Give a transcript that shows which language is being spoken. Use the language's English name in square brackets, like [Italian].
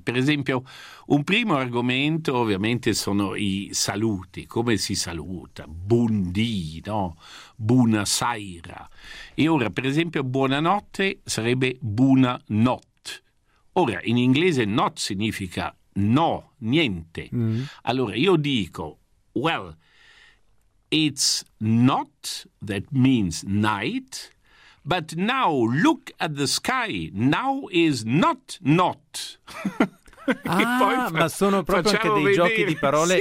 [Italian] Per esempio, un primo argomento ovviamente sono i saluti. Come si saluta? Bundì, no? [Friulian] Buona saira. [Italian] E ora, per esempio, buonanotte sarebbe [Friulian] buona not. [Italian] Ora, in inglese not significa no, niente. Mm. Allora, io dico, [English] well, it's not, that means night, but now look at the sky, now is not not. [Italian] Ma sono proprio anche dei giochi di parole,